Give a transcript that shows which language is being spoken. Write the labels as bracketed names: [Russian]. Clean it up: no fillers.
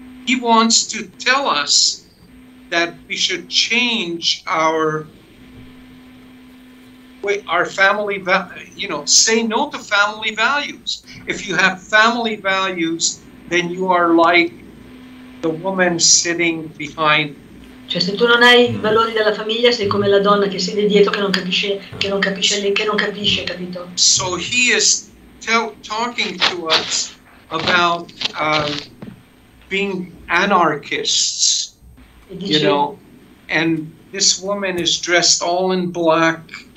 [English] He wants to tell us that we should change our family, you know, say no to family values. If you have family values, then you are like the woman sitting behind. [Italian] Cioè, se tu non hai i valori della famiglia, sei come la donna che siede dietro, che non capisce, capito? [English] So he is talking to us about being anarchists, you know, and this woman is dressed all in black.